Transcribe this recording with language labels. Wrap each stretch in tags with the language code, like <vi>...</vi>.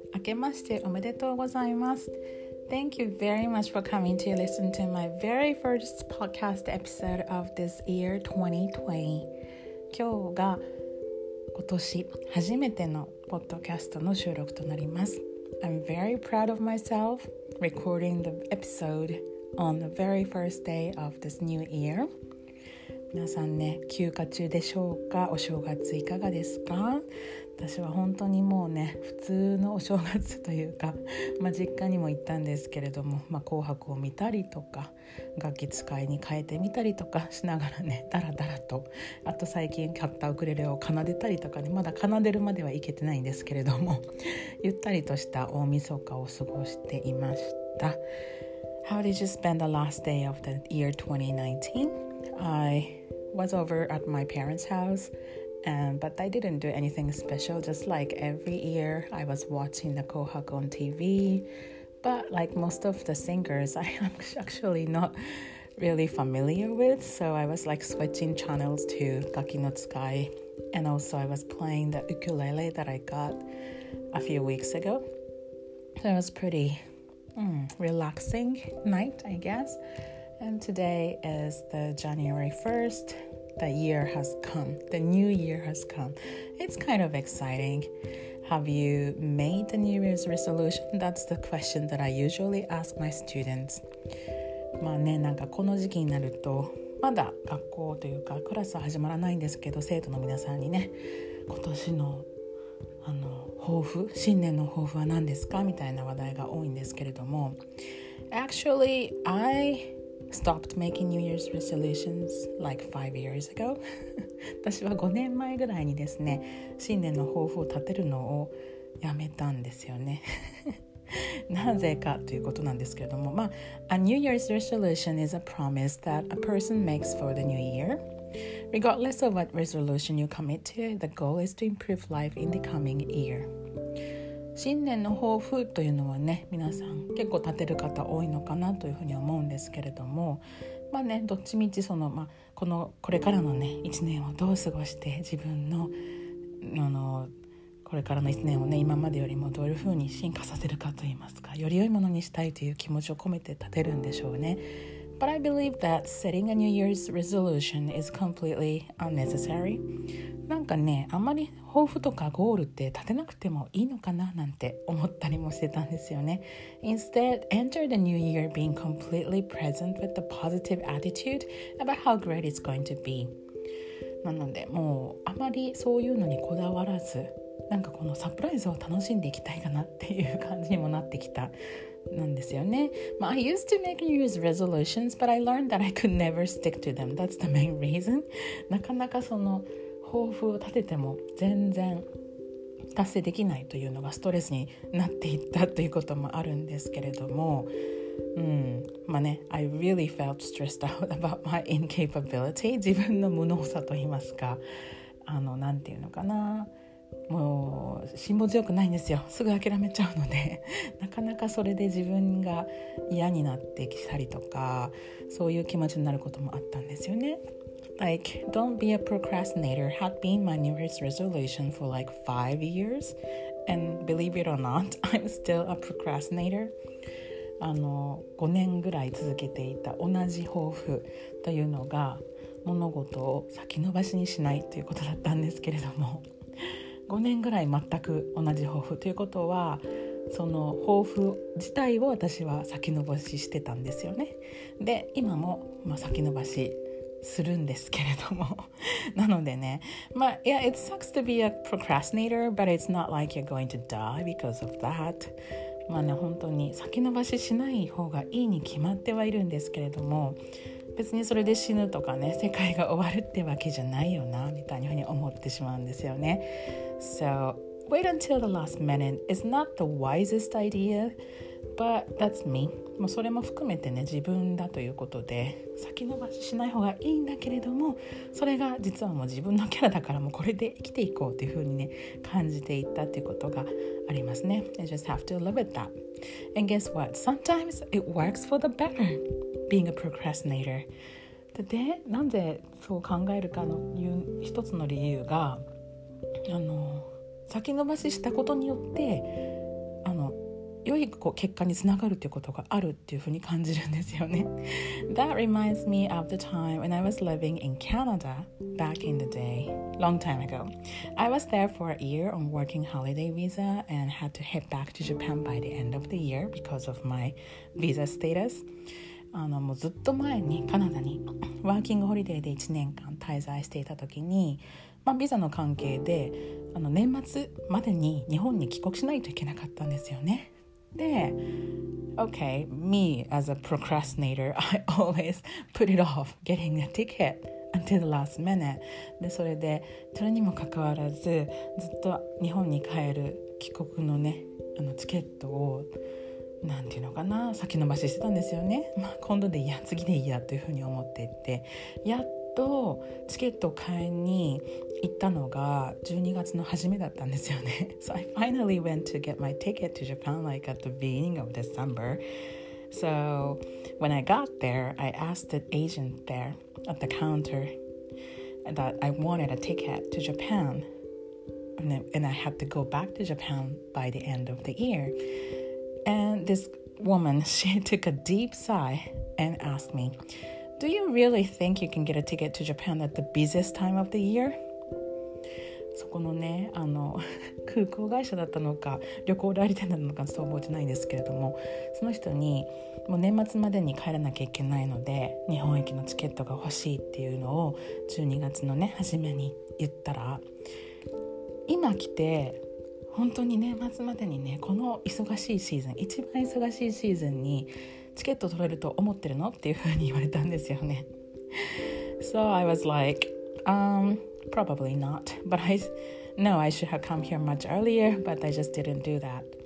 <ja>明けましておめでとうございます。</ja> <en>Thank you very much for coming to listen to my very first podcast episode of this year 2020.</en> <ja>今日が今年初めてのポッドキャストの収録となります。</ja> <en>I'm very proud of myself recording the episode on the very first day of this new year.</en> <ja>皆さんね、休暇中でしょうか？お正月いかがですか？私は本当にもうね、普通のお正月というか、まあ、実家にも行ったんですけれども、まあ、紅白を見たりとか、楽器使いに変えてみたりとかしながらね、だらだらと、あと最近買ったウクレレを奏でたりとかね、まだ奏でるまではいけてないんですけれども、ゆったりとした大晦日を過ごしていました。</ja> <en>How did you spend the last day of the year 2019? I was over at my parents' house, but I didn't do anything special. Just like every year, I was watching the Kohaku on TV. But like most of the singers, I am actually not really familiar with. So I was like switching channels to Gaki no Tsukai. And also I was playing the ukulele that I got a few weeks ago. So it was pretty relaxing night, I guess. And today is the January 1st. The year has come. The new year has come. It's kind of exciting. Have you made the New Year's resolution? That's the question that I usually ask my students.</en> <ja>まあね、なんかこの時期になると、まだ学校というかクラスは始まらないんですけど、生徒の皆さんにね、今年の、あの、抱負、新年の抱負は何ですか？みたいな話題が多いんですけれども。</ja> <en>Actually, I stopped making New Year's resolutions like 5 years ago.</en> <ja>私は5年前ぐらいにですね、新年の抱負を立てるのをやめたんですよね。なぜかということなんですけれども、まあ、</ja> <en>A New Year's resolution is a promise that a person makes for the new year. Regardless of what resolution you commit to, the goal is to improve life in the coming year.</en> <ja>新年の抱負というのはね、皆さん結構立てる方多いのかなというふうに思うんですけれども、まあね、どっちみちその、まあ、このこれからのね1年をどう過ごして自分 の, あのこれからの1年をね今までよりもどういうふうに進化させるかといいますか、より良いものにしたいという気持ちを込めて立てるんでしょうね。</ja> <en>But I believe that setting a New Year's resolution is completely unnecessary.</en> <ja>なんかね、あんまり抱負とかゴールって立てなくてもいいのかななんて思ったりもしてたんですよね。</ja> <en>Instead, enter the new year being completely present with the positive attitude about how great it's going to be.</en> <ja>なのでもうあまりそういうのにこだわらず、なんかこのサプライズを楽しんでいきたいかなっていう感じにもなってきたなんですよね。</ja> <en>I used to make New Year's resolutions, but I learned that I could never stick to them. That's the main reason.</en> <ja>なかなかその抱負を立てても全然達成できないというのがストレスになっていったということもあるんですけれども、うん、まあね、</ja> <en>I really felt stressed out about my incapability.</en> <ja>自分の無能さと言いますか、あの、なんていうのかな、もう辛抱強くないんですよ。すぐ諦めちゃうので、なかなかそれで自分が嫌になってきたりとか、そういう気持ちになることもあったんですよね。</ja> <en>Like, don't be a procrastinator had been my New Year's resolution for like 5 years. And believe it or not, I'm still a procrastinator.</en> <ja>あの、5年ぐらい続けていた同じ抱負というのが、物事を先延ばしにしないということだったんですけれども、5年ぐらい全く同じ抱負ということは、その抱負自体を私は先延ばししてたんですよね。で、今も、まあ、先延ばし。するんですけれどもなのでね、</ja> <en>まあ、yeah, it sucks to be a procrastinator, but it's not like you're going to die because of that.</en> <ja>まあね、本当に先延ばししない方がいいに決まってはいるんですけれども、別にそれで死ぬとかね、世界が終わるってわけじゃないよなみたいに思ってしまうんですよね。</ja> <en>So wait until the last minute. It's not the wisest idea. But that's me.</en> <ja>もうそれも含めてね、自分だということで先延ばししない方がいいんだけれども、それが実はもう自分のキャラだから、もうこれで生きていこうというふうにね感じていったということがありますね。</ja> <en>I just have to live with that. And guess what? Sometimes it works for the better being a procrastinator.</en> <ja>で、なんでそう考えるかの一つの理由が、あの、先延ばししたことによって良い結果につながるということがあるっていうふうに感じるんですよね。</ja> <en>That reminds me of the time when I was living in Canada back in the day, long time ago. I was there for a year on working holiday visa and had to head back to Japan by the end of the year because of my visa status.</en> <ja>もうずっと前にカナダにワーキングホリデーで1年間滞在していた時に、まあ、ビザの関係で年末までに日本に帰国しないといけなかったんですよね。</ja> <en>で、okay, me as a procrastinator, I always put it off getting a ticket until the last minute.</en> <ja>で、それで、それにもかかわらず、ずっと日本に帰る帰国のね、チケットを、なんていうのかな、先延ばししてたんですよね。まあ、今度でいいや、次でいいやというふうに思っていて、やっとチケットを買いに行ったのが12月の初めだったんですよね。</ja> <en>So I finally went to get my ticket to Japan like at the beginning of December. So when I got there, I asked the agent there at the counter that I wanted a ticket to Japan. And I had to go back to Japan by the end of the year. And this woman, she took a deep sigh and asked me,Do you really think you can get a ticket to Japan at the busiest time of the year?</en> <ja>そこのね、空港会社だったのか、旅行代理店だったのか、そう覚えてないんですけれども、その人に、もう年末までに帰らなきゃいけないので、日本行きのチケットが欲しいっていうのを、12月のね、初めに言ったら、今来て、本当に年末までにね、この忙しいシーズン、一番忙しいシーズンに、チケット取れると思ってるの? っていうふうに言われたんですよね。</ja> <en>So I was like, probably not. But I know I should have come here much earlier, but I just didn't do that.</en>